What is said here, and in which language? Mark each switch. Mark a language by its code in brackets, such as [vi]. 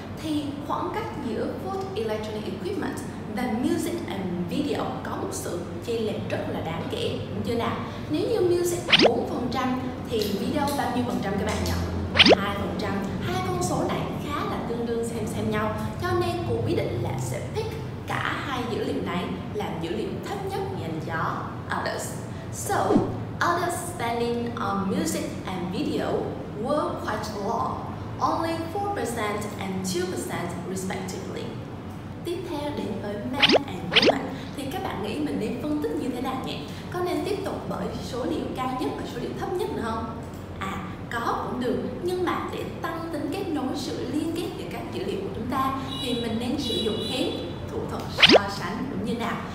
[vi] Thì khoảng cách giữa food, electronic equipment và music and video có một sự chênh lệch rất là đáng kể, đúng chưa nào? Nếu như music 4% thì video bao nhiêu phần trăm các bạn nhỉ? 2%. Hai con số này khá là tương đương xem nhau, cho nên cô quyết định là sẽ pick cả hai dữ liệu này làm dữ liệu thấp nhất dành cho others. [en] So, others spending on music and video were quite low, only 4% and 2% respectively. [vi] Tiếp theo đến với men and women, thì các bạn nghĩ mình nên phân tích như thế nào nhỉ? Có nên tiếp tục bởi số liệu cao nhất và số liệu thấp nhất nữa không? À, có cũng được, nhưng mà để tăng tính kết nối sự liên kết giữa các dữ liệu của chúng ta thì mình nên sử dụng thêm thủ thuật so sánh cũng như nào.